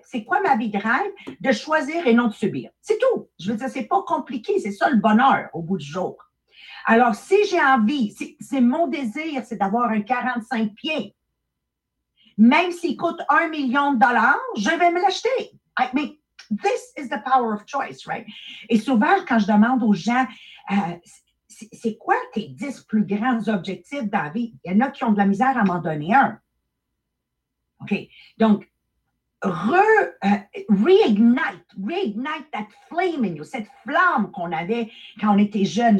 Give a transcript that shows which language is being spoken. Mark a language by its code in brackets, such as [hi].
[fr] C'est quoi ma vie de rêve? De choisir et non de subir. C'est tout. Je veux dire, c'est pas compliqué. C'est ça le bonheur au bout du jour. Alors, si j'ai envie, c'est mon désir, c'est d'avoir un 45 pieds. Même s'il coûte $1 million, je vais me l'acheter. [en] Mais this is the power of choice, right? [fr] Et souvent, quand je demande aux gens, c'est quoi tes 10 plus grands objectifs dans la vie? Il y en a qui ont de la misère à m'en donner un. OK. Donc, [en] reignite that flame in you, [fr] cette flamme qu'on avait quand on était jeune.